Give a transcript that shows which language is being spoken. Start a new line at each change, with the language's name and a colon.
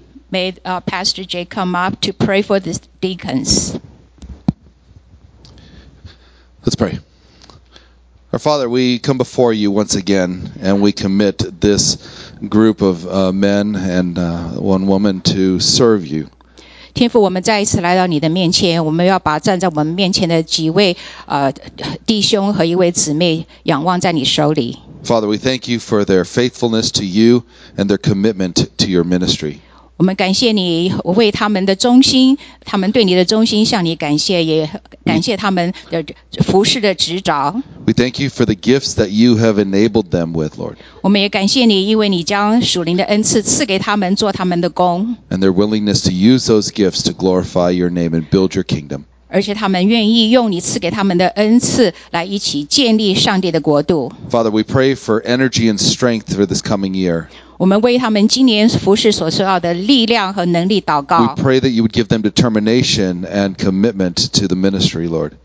English: May Pastor Jay come up to pray for the deacons. Let's pray. Our Father, we come before you once again, and we commit this group of men and one woman to serve you.
Chinese: 天父，我们再一次来到你的面前，我们要把站在我们面前的几位弟兄和一位姊妹仰望在你手里。
English: Father, we thank you for their faithfulness to you and their commitment to your ministry.
Chinese: 我们感谢你为他们的忠心，他们对你的忠心向你感谢，也感谢他们的服事的执着。
English: We thank you for the gifts that you have enabled them with, Lord.
Chinese: 我们也感谢你，因为你将属灵的恩赐赐给他们做他们的工。
English: And their willingness to use those gifts to glorify your name and build your kingdom.
Chinese: 而且他们愿意用你赐给他们的恩赐来一起建立上帝的国度。
English: Father, we pray for energy and strength for this coming year.
Chinese: 我们为他们今年服事所需要的力量和能力祷告。
English: We pray that you would give them determination and commitment to the ministry, Lord.